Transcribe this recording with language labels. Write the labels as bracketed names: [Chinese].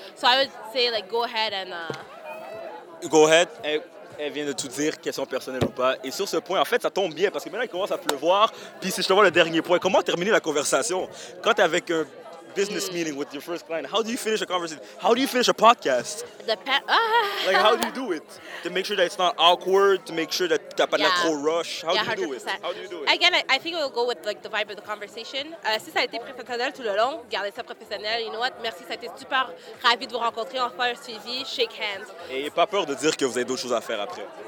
[English] So I would say like go ahead and... Go ahead. [French] Elle vient de tout dire, question personnelle ou pas. Et sur ce point, en fait, ça tombe bien parce que maintenant, il commence à pleuvoir. Puis c'est justement le dernier point. Comment terminer la conversation? Quand tu es avec un business meeting [English] with your first client, how do you finish a conversation? How do you finish a podcast? Like, how do you do it? To make sure that it's not awkward, to make sure that [French] tu n'as pas de trop rush. [English] How do you do it? How do you do it? Again, I think it will go with like the vibe of the conversation. [French] Si ça a été professionnel tout le long, gardez ça professionnel. [English] You know what? [French] Merci, ça a été super ravi de vous rencontrer. Enfin, un suivi. [English] Shake hands. [French] Et pas peur de dire que vous avez d'autres choses à faire après.